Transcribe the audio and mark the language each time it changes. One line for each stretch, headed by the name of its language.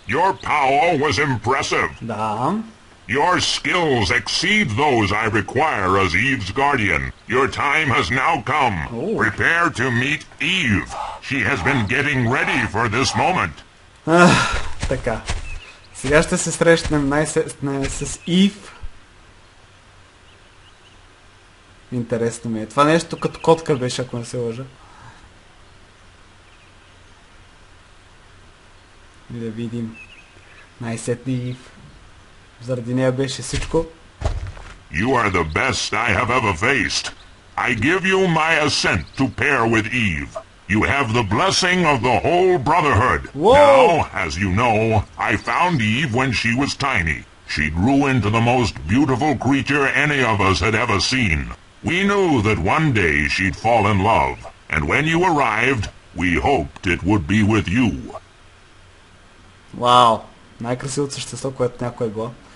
English: Your power was impressive.
Bulgarian: Да.
English: Your skills exceed those I require as Eve's guardian. Your time has now come. Ooh. Prepare to meet Eve. She has been getting ready for this moment.
Bulgarian: Така. Сега ще се срещнем най-сетне с Ив. Интересно ми е. Това нещо като котка беше, ако не се лъжа. И да видим най-сетни Ив. Заради нея беше всичко.
English: You are the best I have ever faced. I give you my assent to pair with Eve. You have the blessing of the whole brotherhood. Whoa. Now, as you know, I found Eve when she was tiny. She grew into the most beautiful creature any of us had ever seen. We knew that one day she'd fall in love. And when you arrived, we hoped it would be with you.
Bulgarian: Вау, най-красивото същество, което някой е било.